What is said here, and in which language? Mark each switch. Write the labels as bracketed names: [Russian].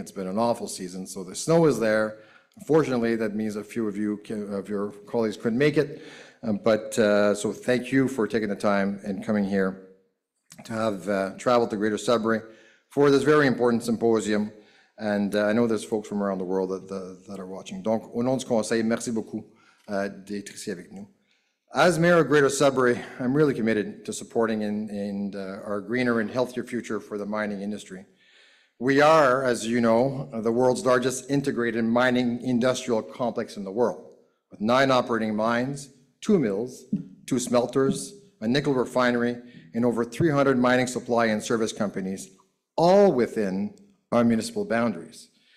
[English] It's been an awful season, so the snow is there. Unfortunately, that means a few of you, of your colleagues, couldn't make it. So thank you for taking the time and coming here to have traveled to Greater Sudbury for this very important symposium. And I know there's folks from around the world that are watching. [French] Donc, au nom du conseil, merci beaucoup d'être ici avec nous. [English] As Mayor of Greater Sudbury, I'm really committed to supporting in our greener and healthier future for the mining industry. We are, as you know, the world's largest integrated mining industrial complex in the world, with 9 operating mines, 2 mills, 2 smelters, a nickel refinery, and over 300 mining supply and service companies, all within our municipal boundaries.